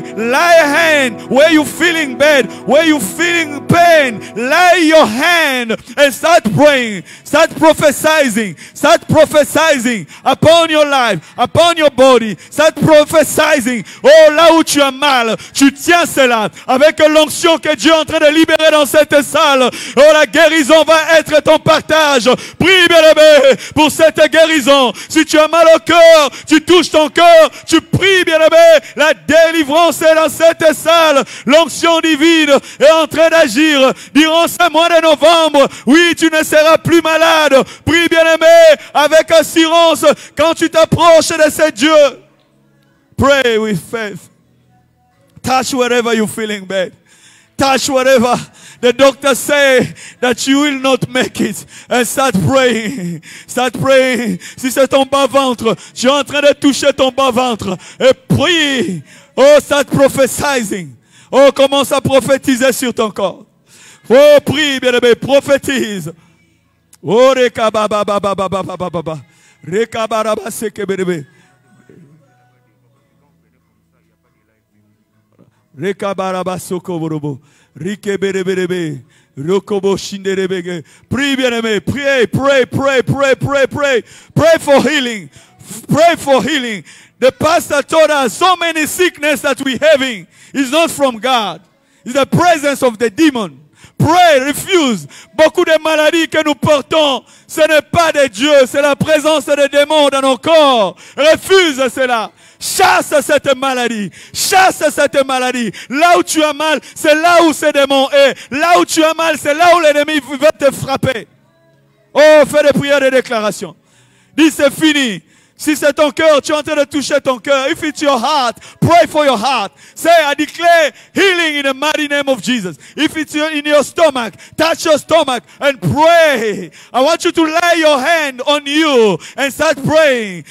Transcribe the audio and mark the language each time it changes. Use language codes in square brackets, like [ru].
[en] Lay a hand where you're feeling bad, where you're feeling pain. Lay your hand and start praying. Start prophesizing. Start prophesizing upon your life, upon your body. Start prophesizing. [fr] Oh, là où tu as mal, tu tiens cela avec l'onction que Dieu est en train de libérer dans cette salle. Oh, la guérison va être ton partage. Prie, bien-aimé, pour cette guérison. Si tu as mal au cœur, tu touches ton cœur, tu pries, bien-aimé. La délivrance est dans cette salle. L'onction divine est en train d'agir. Durant ce mois de novembre, oui, tu ne seras plus malade. Prie, bien-aimé, avec assurance, quand tu t'approches de ce Dieu. [en] Pray with faith. Touch wherever you're feeling bad. touch whatever the doctor say that you will not make it. And start praying. Start praying. [fr] Si c'est ton bas ventre, tu es en train de toucher ton bas ventre. Et prie. Oh, [en] start prophesizing. [fr] Oh, commence à prophétiser sur ton corps. Oh, prie, bien-aimé, prophétise. Oh, rekababababababababa. Rekabaraba seke, bien-aimé. Rekabaraba soko, borobo. Rike, bien-aimé. Rokobo shinderebe. Prie, bien-aimé. [en] Pray. Pray for healing. Pray for healing. The pastor told us so many sickness that we're having is not from God. It's the presence of the demon. Pray, refuse. [fr] Beaucoup de maladies que nous portons, ce n'est pas de Dieu, c'est la présence des démons dans nos corps. Refuse cela. Chasse cette maladie. Chasse cette maladie. Là où tu as mal, c'est là où ces démons sont. Là où tu as mal, c'est là où l'ennemi va te frapper. Oh, fais des prières de déclaration. Dis, c'est fini. Si c'est ton cœur, tu es en train de toucher ton cœur. [en] If it's your heart, pray for your heart. Say, I declare healing in the mighty name of Jesus. If it's in your stomach, touch your stomach and pray. I want you to lay your hand on you and start praying.